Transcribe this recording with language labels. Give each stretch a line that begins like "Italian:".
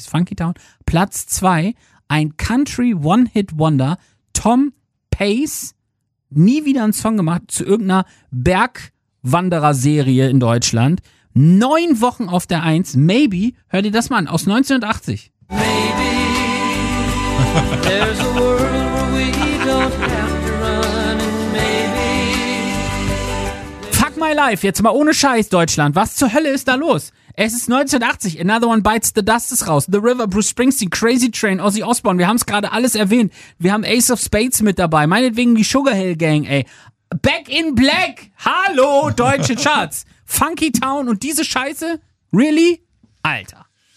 German: Ist Funky Town Platz 2. Ein Country One-Hit-Wonder, Tom Pace, nie wieder einen Song gemacht zu irgendeiner Bergwanderer-Serie in Deutschland. 9 Wochen auf der 1. Maybe, hör dir das mal an, aus 1980.
English: Maybe there's a world where we don't have to run. Maybe.
German: Fuck my life, jetzt mal ohne Scheiß, Deutschland. Was zur Hölle ist da los? Es ist 1980, Another One Bites the Dust ist raus, The River, Bruce Springsteen, Crazy Train, Ozzy Osbourne, wir haben es gerade alles erwähnt, wir haben Ace of Spades mit dabei, meinetwegen die Sugar Hill Gang, ey, Back in Black, hallo deutsche Charts, Funky Town und diese Scheiße, really, Alter.